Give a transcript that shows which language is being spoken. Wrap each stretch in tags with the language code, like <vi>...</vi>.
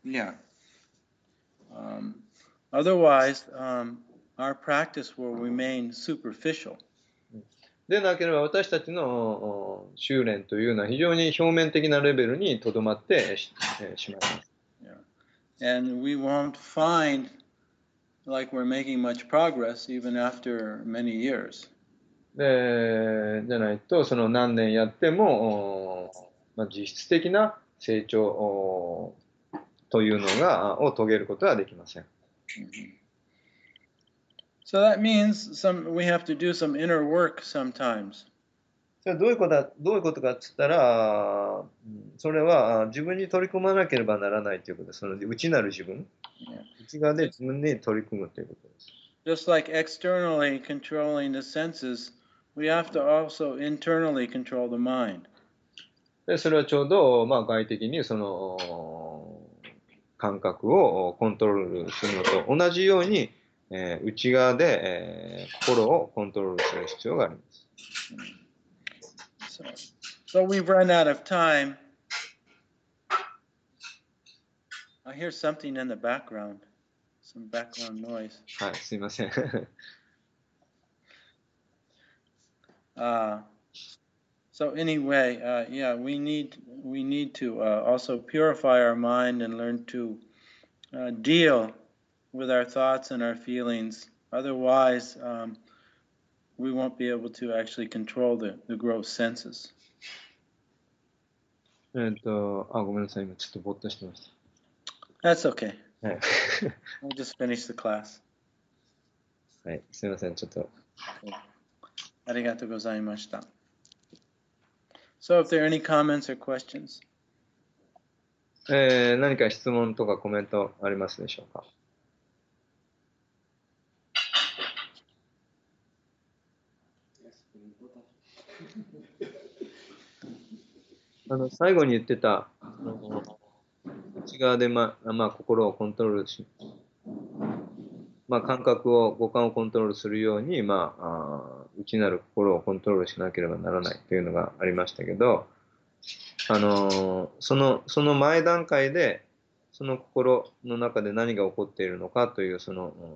<en>Yeah. Otherwise, our practice will remain superficial.</en> <ja>でなければ私たちの修練というのは非常に表面的なレベルにとどまってしまいます。</ja> <en>Yeah. And we won't find like we're making much progress even after many years.</en> <ja>でじゃないとその何年やっても、実質的な成長というのがを遂げることはできません。</ja> <en>So that means we have to do some inner work sometimes.</en> <ja>それどういうことだ、どういうことかっつったら、それは自分に取り組まなければならないということです。その内なる自分、内側で自分に取り組むということです。</ja> <en>Just like externally controlling the senses, we have to also internally control the mind.</en> <ja>で、それはちょうど、まあ、外的にその感覚をコントロールするのと同じように、内側で、心をコントロールする必要があります。</ja> <en>So we've run out of time. I hear something in the background. Some background noise.</en> <ja>はい、すいません。</ja> <en>So anyway, yeah, we need to also purify our mind and learn to deal with our thoughts and our feelings. Otherwise, we won't be able to actually control the gross senses.</en> <ja>ごめんなさい、今ちょっとぼっとしてました。</ja> <en>That's okay. We'll just finish the class.</en> <ja>はい、すいません、ちょっと。</ja> <en>Okay.</en> <ja>ありがとうございました。</ja> <en>So, if there are any comments or questions?</en> <ja>何か質問とかコメントありますでしょうか？最後に言ってた、内側で、まあ、心をコントロールし、まあ、感覚を、五感をコントロールするように、まあ、内なる心をコントロールしなければならないというのがありましたけど、その前段階で、その心の中で何が起こっているのかという、その、</ja>